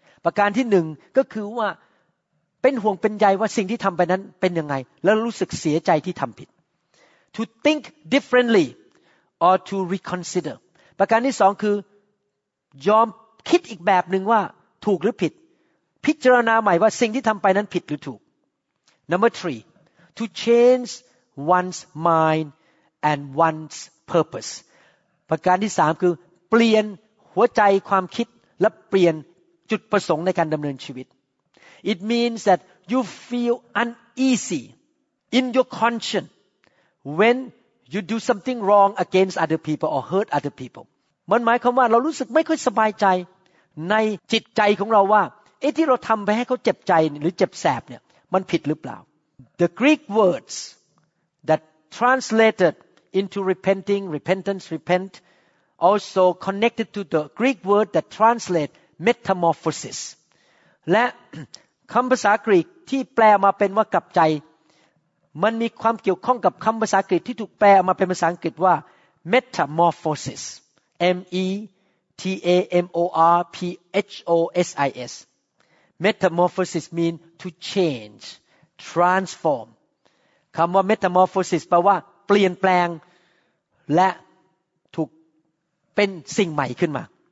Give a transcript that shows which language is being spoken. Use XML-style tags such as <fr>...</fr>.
<th>ประการที่หนึ่งก็คือว่าเป็นห่วงเป็นใยว่าสิ่งที่ทำไปนั้นเป็นยังไงแล้วรู้สึกเสียใจที่ทำผิด</th> <en>To think differently or to reconsider.</en> <th>ประการที่สองคือยอมคิดอีกแบบนึงว่าถูกหรือผิดพิจารณาใหม่ว่าสิ่งที่ทำไปนั้นผิดหรือถูก</th> <en>Number 3 to change one's mind and one's purpose</en> <th>ประการที่3คือเปลี่ยนหัวใจความคิดและเปลี่ยนจุดประสงค์ในการดำเนินชีวิต</th> <en>It means that you feel uneasy in your conscience when you do something wrong against other people or hurt other peoplem</en> <th>นหมายความว่าเรารู้สึกไม่ค่อยสบายใจในจิตใจของเราว่าไอ้ที่เราทำไปให้เขาเจ็บใจหรือเจ็บแสบเนี่ยมันผิดหรือเปล่า</th> <en>The Greek words that translated into repenting, repentance, repent also connected to the Greek word that translate</en> <th>metamorphosis และคำภาษากรีกที่แปลมาเป็นว่ากลับใจมันมีความเกี่ยวข้องกับคำภาษากรีกที่ถูกแปลมาเป็นภาษาอังกฤษว่า metamorphosis metamorphosis</th> <en>metamorphosis mean to change transform</en> <th>คำว่า metamorphosis แปลว่าเปลี่ยนแปลงและถูกเป็นสิ่งใหม่ขึ้นมา</th>